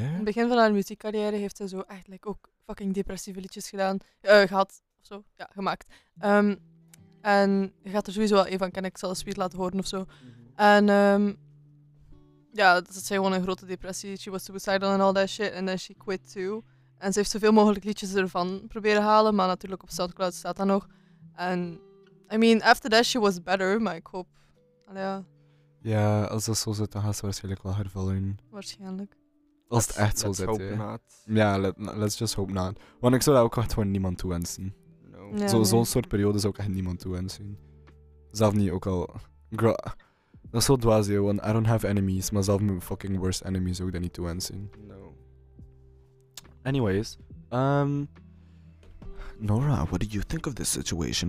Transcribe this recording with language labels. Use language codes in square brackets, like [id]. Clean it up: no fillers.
[nl] In het begin van haar muziekcarrière heeft ze zo eigenlijk ook fucking depressieve liedjes gedaan, gehad. Of zo, ja, gemaakt. En je gaat er sowieso wel een van kennen. Ik zal een speed laten horen of zo. Mm-hmm. En dat zei gewoon een grote depressie. [en] She was suicidal and all that shit. And then she quit too. [nl] En ze heeft zoveel mogelijk liedjes ervan proberen halen. Maar natuurlijk op SoundCloud staat dat nog. [en] En I mean, after that she was better. [nl] Maar ik hoop... Ja, als dat zo zit, dan gaat ze waarschijnlijk wel hervallen. Waarschijnlijk. Als het echt zo zit. [en] Let's hope not. Ja, let's just hope not. [nl] Want ik zou dat ook echt gewoon niemand toewensen. Ja, zo'n soort periode zou ik echt niemand toewensen. Zelf niet, ook al... Girl, dat is zo dwaas, joh, want [en] I don't have enemies, [nl] maar zelf mijn fucking worst enemies zou ik dat niet toewensen. [en] No. Anyways, Nora, what did you think of this situation?